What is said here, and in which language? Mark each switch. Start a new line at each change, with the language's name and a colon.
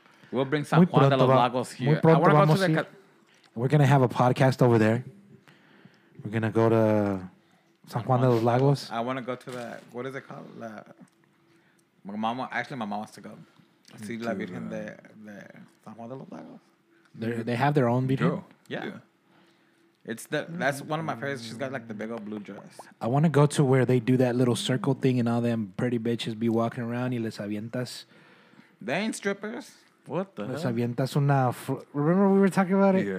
English: We'll bring San Juan de los Lagos here.
Spanish: Muy pronto vamos
English: we're going to have a podcast over there. We're going to go to San Juan de los Lagos. I want to go to that. What is it called? My mama. Actually, my mom wants to go. See la Virgen de San Juan de los Lagos. They have their own Virgen? Yeah. It's that's one of my favorites. She's got like the big old blue dress. I want to go to where they do that little circle thing and all them pretty bitches be walking around.
Spanish: Y les avientas.
English: They ain't strippers. What the
Spanish: les
English: hell?
Spanish: Avientas una
English: remember we were talking about it?